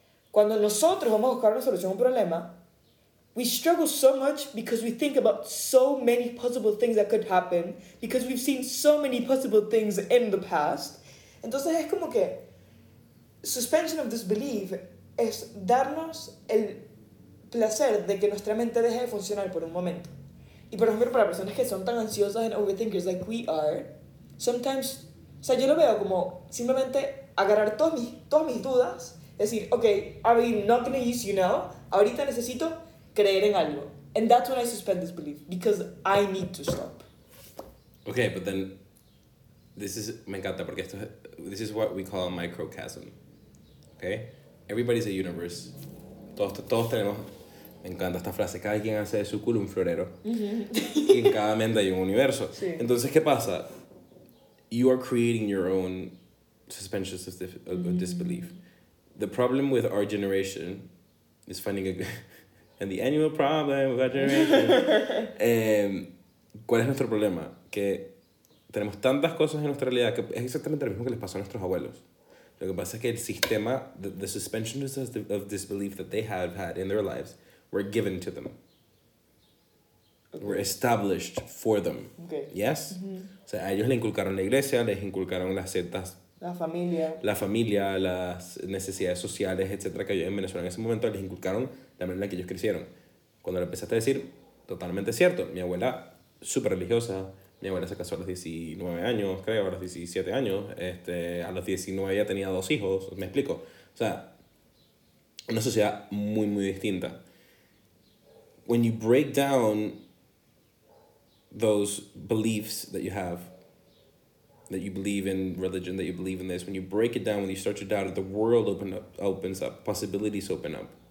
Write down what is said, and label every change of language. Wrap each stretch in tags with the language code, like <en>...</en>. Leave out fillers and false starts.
<es>Cuando nosotros vamos a buscar una solución a un problema,</es> <en>we struggle so much because we think about so many possible things that could happen, because we've seen so many possible things in the past.</en> <es>Entonces es como que suspension of disbelief es darnos el placer de que nuestra mente deje de funcionar por un momento. Y por ejemplo, para personas que son tan ansiosas</es> <en>and overthinkers like we are, sometimes,</en> <es>o sea, yo lo veo como simplemente agarrar todas mis dudas, decir, okay,</es> <en>I'm not going to use you now,</en> <es>ahorita necesito creer en algo.</es> <en>And that's when I suspend disbelief, because I need to stop. Okay, but then,</en> <es>me encanta, porque esto,</es> <en>this is what we call a microcosm, okay? Everybody's a universe.</en> <es>Todos tenemos, me encanta esta frase, cada quien hace de su culo un florero. Mm-hmm. Y en cada mente hay un universo. Sí. Entonces, ¿qué pasa?</es> <en>You are creating your own suspension of disbelief. The problem with our generation is finding a good... And the annual problem with our generation.</en> <es>¿Cuál es nuestro problema? Que tenemos tantas cosas en nuestra realidad que es exactamente lo mismo que les pasó a nuestros abuelos. Lo que pasa es que el sistema,</es> <en>the suspension of disbelief that they have had in their lives were given to them. Okay. Were established for them. Okay. Yes? Mm-hmm.</en> <es>O sea, a ellos le inculcaron la iglesia, les inculcaron las sectas. La familia, las necesidades sociales, etcétera, que yo en Venezuela en ese momento les inculcaron la manera en que ellos crecieron. Cuando lo empezaste a decir, totalmente cierto. Mi abuela, súper religiosa. Mi abuela se casó a los 19 años, creo, a los 17 años. A los 19 ya tenía dos hijos, ¿me explico? O sea, una sociedad muy, muy distinta.</es> <en>When you break down those beliefs that you have, that you believe in religion, that you believe in this, when you break it down, when you start to doubt it, the world opens up, possibilities open up.</en>